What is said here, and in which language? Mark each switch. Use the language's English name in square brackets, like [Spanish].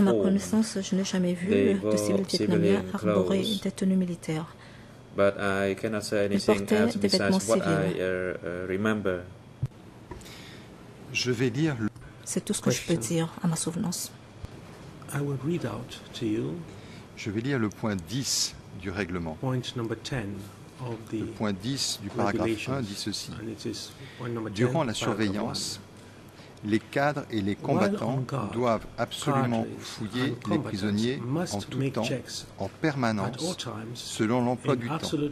[French] À ma connaissance, je n'ai jamais vu de civils vietnamiens arborer des tenues militaires. [English] But I cannot say anything else besides what I remember. [French] Je vais dire. C'est tout ce que je peux dire à ma souvenance. [English] I will read out to you. [French] Je vais lire le point 10 du règlement. [English] Point number 10. [French] Le point 10 du paragraphe 1 dit ceci. Durant la surveillance, les cadres et les combattants doivent absolument fouiller les prisonniers en tout temps, en permanence, selon l'emploi du temps.